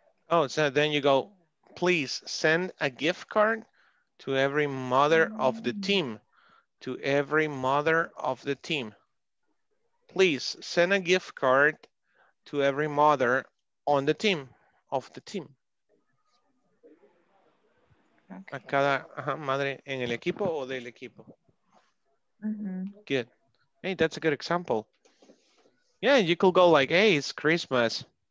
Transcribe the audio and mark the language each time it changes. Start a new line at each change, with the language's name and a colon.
English: Oh, so then you go, please send a gift card to every mother of the team. To every mother of the team. Please send a gift card to every mother on the team, of the team. Okay.
Spanish: A cada madre en el equipo o del equipo.
English: Good. Hey, that's a good example. Yeah, you could go like, hey, it's Christmas.